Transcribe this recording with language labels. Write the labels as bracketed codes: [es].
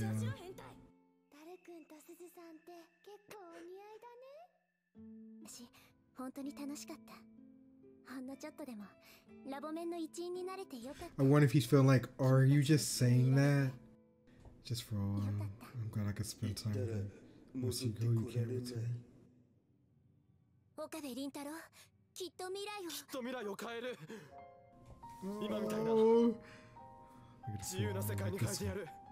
[ja] ダル君とスズさんって結構お似合いだね。本当に楽しかった。ほんのちょっとでもラボ面の一員になれてよかった。 [en] I wonder if he's feeling like, are you just saying that? Just for all, I'm glad I could spend time with him. Once you go, you can't return. [ja] 岡部凛太郎、きっと未来を。きっと未来を変える。今みたいな。自由な世界に変えてやる。